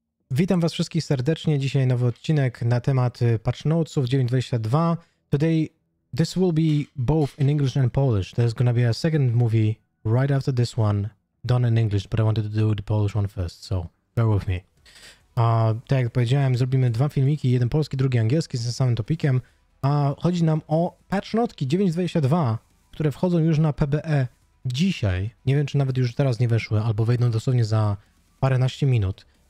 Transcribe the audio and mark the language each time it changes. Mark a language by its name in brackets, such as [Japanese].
[Polish] Witam was wszystkich serdecznie. Dzisiaj nowy odcinek na temat patch notesów 922. [English] Today, this will be both in English and Polish. There's gonna be a second movie right after this one, done in English, but I wanted to do the Polish one first, so bear with me. [Polish] Tak jak powiedziałem, zrobimy dwa filmiki, jeden polski, drugi angielski, z tym samym topikiem. Chodzi nam o patch notki 922, które wchodzą już na PBE dzisiaj. Nie wiem, czy nawet już teraz nie weszły, albo wejdą dosłownie za paręnaście minut.